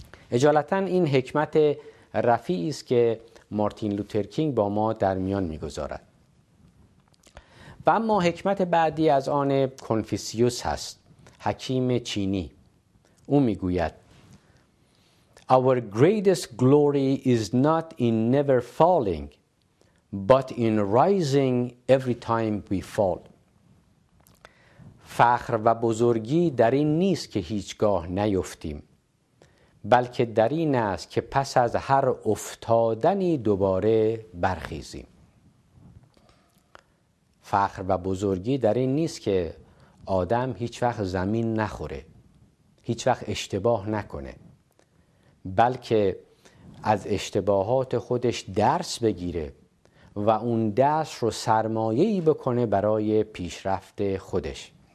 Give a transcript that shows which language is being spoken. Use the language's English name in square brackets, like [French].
[Persian] اجالتاً این حکمت رفیعی است که مارتین لوتر کینگ با ما در میان می‌گذارد. و اما حکمت بعدی از آن کنفوسیوس هست، حکیم چینی. او می‌گوید: [English] Our greatest glory is not in never falling, but in rising every time we fall. [Persian] فخر و بزرگی در این نیست که هیچگاه نیفتیم، بلکه در این است که پس از هر افتادنی دوباره برخیزیم. فخر و بزرگی در این نیست که آدم هیچ وقت زمین نخوره، هیچ وقت اشتباه نکنه، بلکه از اشتباهات خودش درس بگیره و اون درس رو سرمایه‌ای بکنه برای پیشرفت خودش.